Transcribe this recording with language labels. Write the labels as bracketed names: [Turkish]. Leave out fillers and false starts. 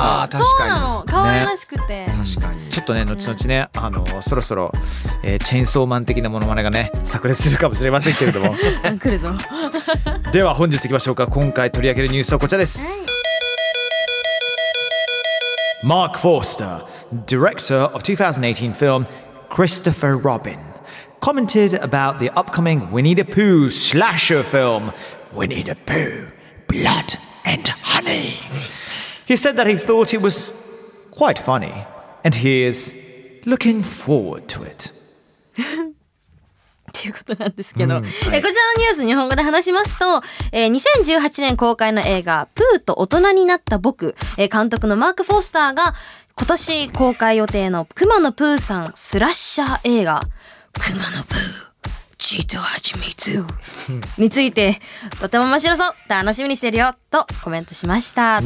[Japanese] ああ確かに。そうなの、可愛らしくて、ね。確かに。ちょっとね、後々 ね、あのそろそろ、チェーンソーマン的なモノマネがね炸裂するかもしれませんけれども。来るぞ。では本日行きましょうか。今回取り上げるニュースはこちらです。マーク・フォースター。 [English] Director of 2018 film Christopher Robin commented about the upcoming Winnie the Pooh slasher film Winnie the Pooh Blood and Honey. He said that he thought it was quite funny and he is looking forward to it. [Japanese] っていうことなんですけど、はい、こちらのニュース日本語で話しますと、2018年公開の映画プーと大人になった僕、監督のマーク・フォースターが今年公開予定の熊野プーさんスラッシャー映画熊野プーチートはじみつについてとても面白そう、楽しみにしてるよとコメントしました。